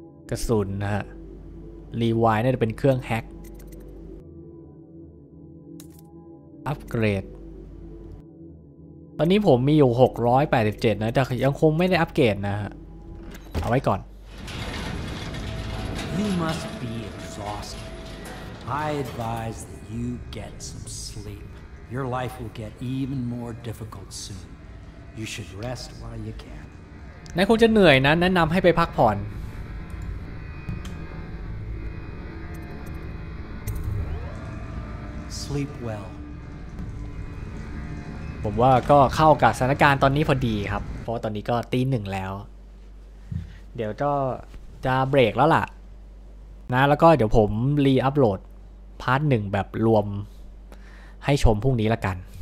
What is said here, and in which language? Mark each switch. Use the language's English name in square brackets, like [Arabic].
[Thai] กระสุนฮะรีไวน์น่าจะเป็นเครื่องแฮกอัปเกรดตอนนี้ผมมีอยู่687นะแต่ยังคงไม่ได้อัปเกรดนะฮะเอาไว้ก่อน [English] You must be exhausted I advise that you get some sleepYour life will get even more difficult soon. You should rest while you can. [Thai] นายคงจะเหนื่อยนะแนะนำให้ไปพักผ่อน [English] Sleep well. [Thai] ผมว่าก็เข้ากับสถานการณ์ตอนนี้พอดีครับเพราะตอนนี้ก็ตีหนึ่งแล้วเดี๋ยวก็จะเบรกแล้วล่ะนะแล้วก็เดี๋ยวผมรีอัพโหลดพาร์ทหนึ่งแบบรวมให้ชมพรุ่งนี้ละกัน